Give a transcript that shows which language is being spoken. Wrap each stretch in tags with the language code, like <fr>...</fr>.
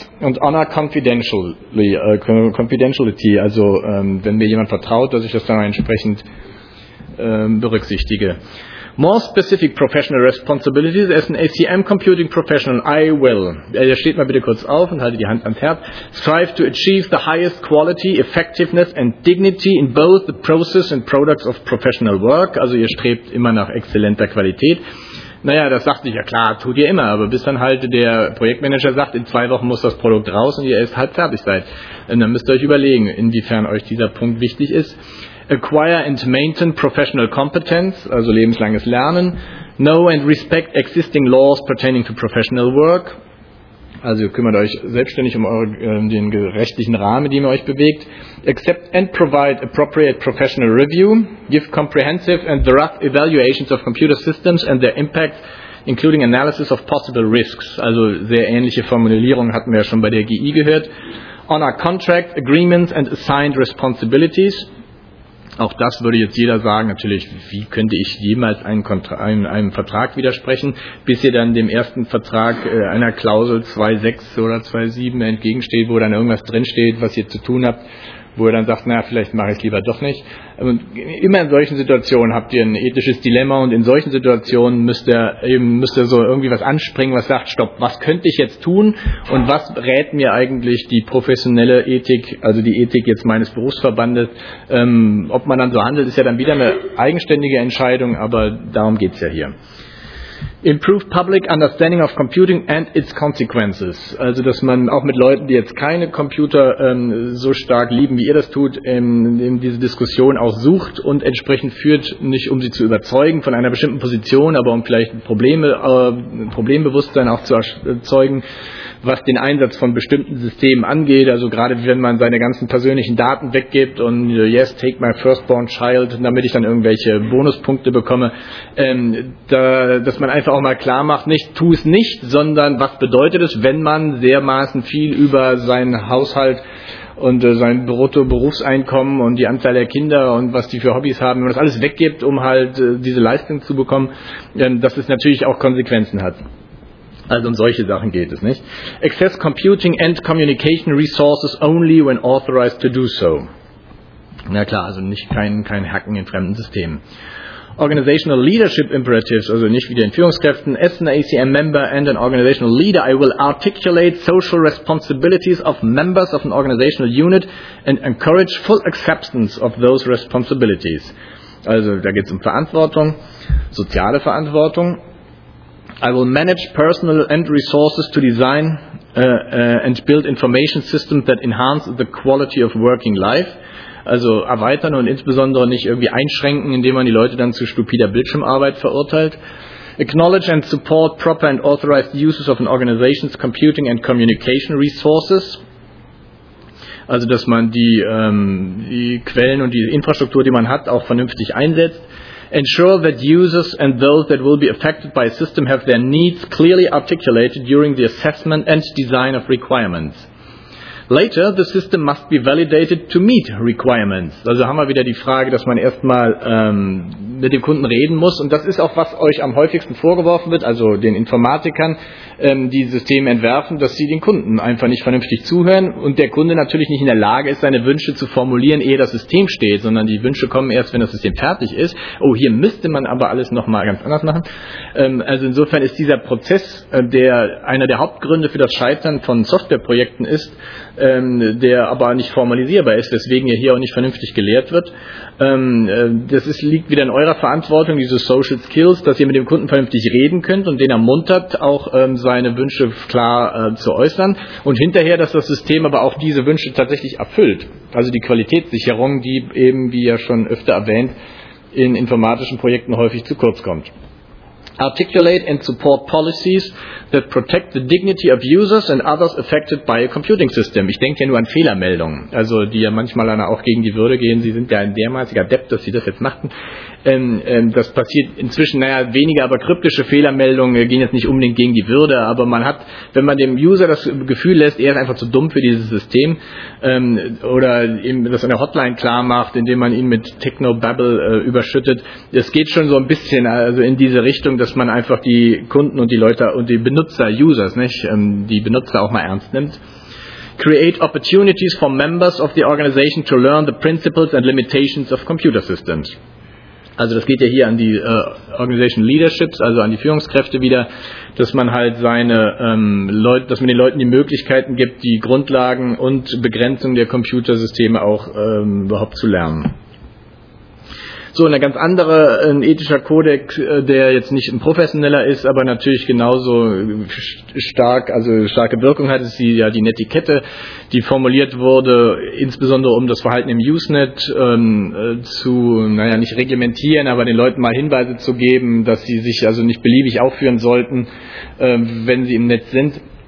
<de>Und</de> <en>honor confidentiality.</en> <de>Also wenn mir jemand vertraut, dass ich das dann entsprechend berücksichtige.</de> <en>More specific professional responsibilities. As an ACM computing professional, I will.</en> <de>Ja, steht mal bitte kurz auf und halte die Hand ans Herz.</de> <en>Strive to achieve the highest quality, effectiveness and dignity in both the process and products of professional work.</en> <de>Also ihr strebt immer nach exzellenter Qualität. Naja, das sagt sich ja klar, tut ihr immer, aber bis dann halt der Projektmanager sagt, in 2 Wochen muss das Produkt raus und ihr erst halb fertig seid. Und dann müsst ihr euch überlegen, inwiefern euch dieser Punkt wichtig ist.</de> <en>Acquire and maintain professional competence,</en> <de>also lebenslanges Lernen.</de> <en>Know and respect existing laws pertaining to professional work.</en> <de>Also kümmert euch selbstständig um eure, den rechtlichen Rahmen, den ihr euch bewegt.</de> <en>Accept and provide appropriate professional review. Give comprehensive and thorough evaluations of computer systems and their impact, including analysis of possible risks.</en> <de>Also sehr ähnliche Formulierungen hatten wir ja schon bei der GI gehört.</de> <en>Honor contract agreements and assigned responsibilities.</en> <de>Auch das würde jetzt jeder sagen, natürlich, wie könnte ich jemals einem Vertrag widersprechen, bis ihr dann dem ersten Vertrag einer Klausel 2.6 oder 2.7 entgegensteht, wo dann irgendwas drinsteht, was ihr zu tun habt, wo ihr dann sagt, naja, vielleicht mache ich es lieber doch nicht. Und immer in solchen Situationen habt ihr ein ethisches Dilemma und in solchen Situationen müsst ihr so irgendwie was anspringen, was sagt, stopp, was könnte ich jetzt tun und was rät mir eigentlich die professionelle Ethik, also die Ethik jetzt meines Berufsverbandes, ob man dann so handelt, ist ja dann wieder eine eigenständige Entscheidung, aber darum geht's ja hier.</de> <en>Improve public understanding of computing and its consequences.</en> <de>Also, dass man auch mit Leuten, die jetzt keine Computer so stark lieben, wie ihr das tut, diese Diskussion auch sucht und entsprechend führt, nicht um sie zu überzeugen von einer bestimmten Position, aber um vielleicht Problembewusstsein auch zu erzeugen, was den Einsatz von bestimmten Systemen angeht. Also gerade wenn man seine ganzen persönlichen Daten weggibt und</de> <en>yes, take my firstborn child,</en> <de>damit ich dann irgendwelche Bonuspunkte bekomme, dass man einfach auch mal klar macht, nicht tu es nicht, sondern was bedeutet es, wenn man dermaßen viel über seinen Haushalt und sein Brutto-Berufseinkommen und die Anzahl der Kinder und was die für Hobbys haben, wenn man das alles weggibt, um halt diese Leistung zu bekommen, dass es natürlich auch Konsequenzen hat. Also um solche Sachen geht es nicht.</de> <en>Access computing and communication resources only when authorized to do so.</en> <de>Na klar, also nicht kein Hacken in fremden Systemen.</de> <en>Organizational leadership imperatives,</en> <de>also nicht wie den Führungskräften.</de> <en>As an ACM member and an organizational leader, I will articulate social responsibilities of members of an organizational unit and encourage full acceptance of those responsibilities.</en> <de>Also da geht es um Verantwortung, soziale Verantwortung.</de> <en>I will manage personal and resources to design and build information systems that enhance the quality of working life.</en> <de>Also erweitern und insbesondere nicht irgendwie einschränken, indem man die Leute dann zu stupider Bildschirmarbeit verurteilt.</de> <en>Acknowledge and support proper and authorized uses of an organization's computing and communication resources.</en> <de>Also dass man die Quellen und die Infrastruktur, die man hat, auch vernünftig einsetzt.</de> <en>Ensure that users and those that will be affected by a system have their needs clearly articulated during the assessment and design of requirements. Later, the system must be validated to meet requirements.</en> <de>Also haben wir wieder die Frage, dass man erstmal mit dem Kunden reden muss. Und das ist auch, was euch am häufigsten vorgeworfen wird, also den Informatikern, die Systeme entwerfen, dass sie den Kunden einfach nicht vernünftig zuhören und der Kunde natürlich nicht in der Lage ist, seine Wünsche zu formulieren, ehe das System steht, sondern die Wünsche kommen erst, wenn das System fertig ist. Oh, hier müsste man aber alles nochmal ganz anders machen. Also insofern ist dieser Prozess, der einer der Hauptgründe für das Scheitern von Softwareprojekten ist, der aber nicht formalisierbar ist, weswegen ihr hier auch nicht vernünftig gelehrt wird. Das liegt wieder in eurer Verantwortung, diese Social Skills, dass ihr mit dem Kunden vernünftig reden könnt und den ermuntert, auch seine Wünsche klar zu äußern und hinterher, dass das System aber auch diese Wünsche tatsächlich erfüllt. Also die Qualitätssicherung, die eben, wie ja schon öfter erwähnt, in informatischen Projekten häufig zu kurz kommt.</de> <en>Articulate and support policies that protect the dignity of users and others affected by a computing system.</en> <de>Ich denke ja nur an Fehlermeldungen, also die ja manchmal auch gegen die Würde gehen. Sie sind ja ein dermaßiger Depp, dass sie das jetzt machten. Das passiert inzwischen, weniger, aber kryptische Fehlermeldungen gehen jetzt nicht unbedingt gegen die Würde, aber man hat, wenn man dem User das Gefühl lässt, er ist einfach zu dumm für dieses System, oder ihm das an der Hotline klar macht, indem man ihn mit Technobabble überschüttet, es geht schon so ein bisschen also in diese Richtung, dass man einfach die Kunden und die Leute und die Benutzer, Users, nicht, die Benutzer auch mal ernst nimmt.</de> <en>Create opportunities for members of the organization to learn the principles and limitations of computer systems.</en> <de>Also das geht ja hier an die Organization Leaderships, also an die Führungskräfte wieder, dass man halt seine dass man den Leuten die Möglichkeiten gibt, die Grundlagen und Begrenzung der Computersysteme auch überhaupt zu lernen. So, eine ganz andere ein ethischer Kodex, der jetzt nicht ein professioneller ist, aber natürlich genauso starke Wirkung hat, ist die Netiquette, die formuliert wurde, insbesondere um das Verhalten im Usenet nicht reglementieren, aber den Leuten mal Hinweise zu geben, dass sie sich also nicht beliebig aufführen sollten, wenn sie im Netz sind.</de>